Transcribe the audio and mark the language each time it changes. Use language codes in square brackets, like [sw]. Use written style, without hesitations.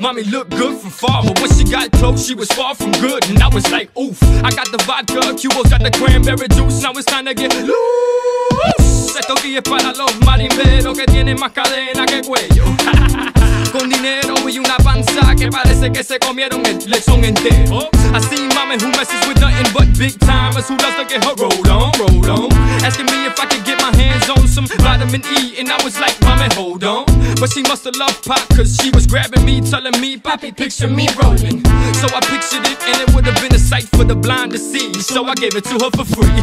[en] Look good from far, but when she got close, she was far from good. And I was like, oof, I got the vodka, Cubo's got the cranberry juice. Now it's time to get loose. [es] Esto aquí es para los marimberos que tienen más cadena que cuello. Con dinero y una panza que parece que se comieron el lechón entero. [en] I see mommy who messes with nothing but big timers, who loves to get her roll on, roll on. Asking me if I could get my hands on some vitamin E, and I was like, mommy, hold on. But she must have loved pop, cause she was grabbing me, telling me, Poppy, picture me rolling. So I pictured it, and it would have been a sight for the blind to see. So I gave it to her for free.